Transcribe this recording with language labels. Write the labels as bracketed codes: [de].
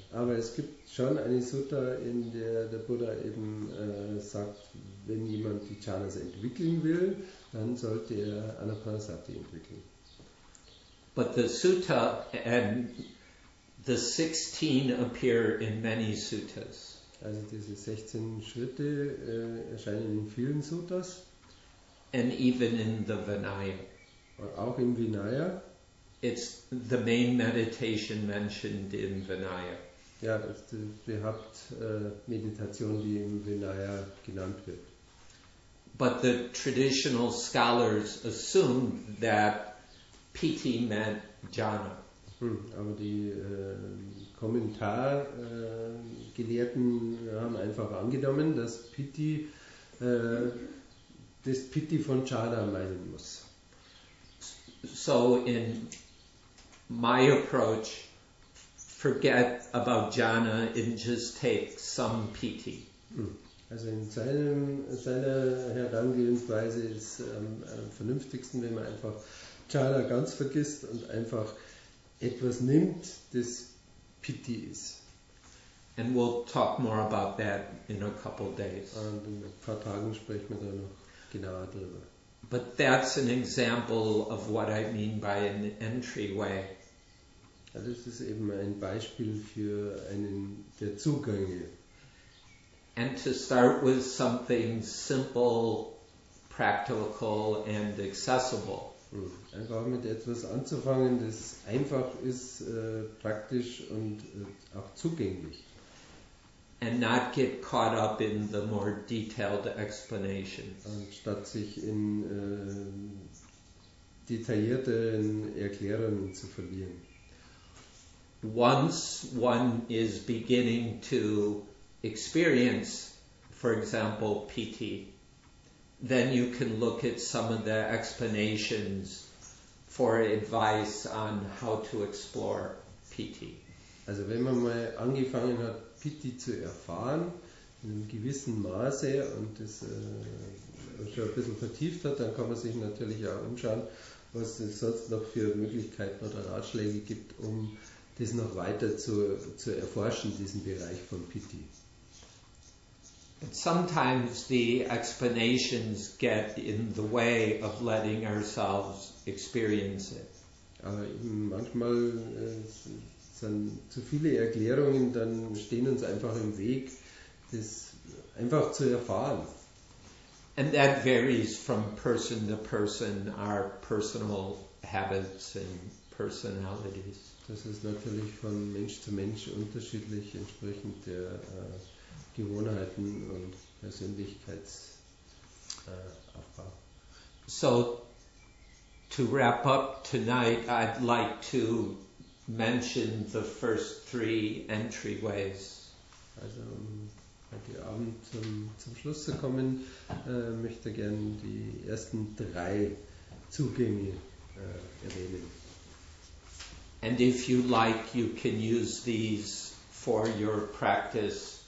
[de] Ja, aber es gibt schon eine Sutta, in der der Buddha eben sagt, wenn jemand die Jhanas entwickeln will, dann sollte er Anapanasati entwickeln. [en] But the sutta and the 16 appear in many suttas. [de] Also diese 16 Schritte erscheinen in vielen Suttas. [en] And even in the Vinaya. [de] Und auch im Vinaya. [en] It's the main meditation mentioned in Vinaya. [de] Ja, das ist die Hauptmeditation, die im Vinaya genannt wird. [en] But the traditional scholars assumed that PT meant jhana. [de] Aber die Kommentargelehrten haben einfach angenommen, dass PT das PT von jhana meinen muss. [en] So in my approach, forget about jhana and just take some PT. [de] Also in seiner Herangehensweise ist am vernünftigsten, wenn man einfach jhana ganz vergisst und einfach etwas nimmt, das PT ist. [en] And we'll talk more about that in a couple days. [de] Und in ein paar Tagen sprechen wir da noch genauer drüber. [en] But that's an example of what I mean by an entryway. [de] Ja, das ist eben ein Beispiel für einen der Zugänge. [en] And to start with something simple, practical and accessible. [de] Einfach mit etwas anzufangen, das einfach ist, praktisch und auch zugänglich. [en] And not get caught up in the more detailed explanations. [de] Anstatt sich in detaillierteren Erklärungen zu verlieren. [en] Once one is beginning to experience, for example, PT, then you can look at some of the explanations for advice on how to explore PT. [de] Also wenn man mal angefangen hat, PT zu erfahren, in einem gewissen Maße und das schon ein bisschen vertieft hat, dann kann man sich natürlich auch umschauen, was es sonst noch für Möglichkeiten oder Ratschläge gibt, um das noch weiter zu erforschen, diesen Bereich von PT. [en] But sometimes the explanations get in the way of letting ourselves experience it. [de] Aber manchmal sind zu viele Erklärungen, dann stehen uns einfach im Weg, das einfach zu erfahren. [en] And that varies from person to person, our personal habits and personalities. [de] Das ist natürlich von Mensch zu Mensch unterschiedlich, entsprechend der Gewohnheiten und Persönlichkeitsaufbau. [en] So, to wrap up tonight, I'd like to mention the first three entryways. [de] Also, um heute Abend zum Schluss zu kommen, möchte gerne die ersten drei Zugänge erwähnen. [en] And if you like, you can use these for your practice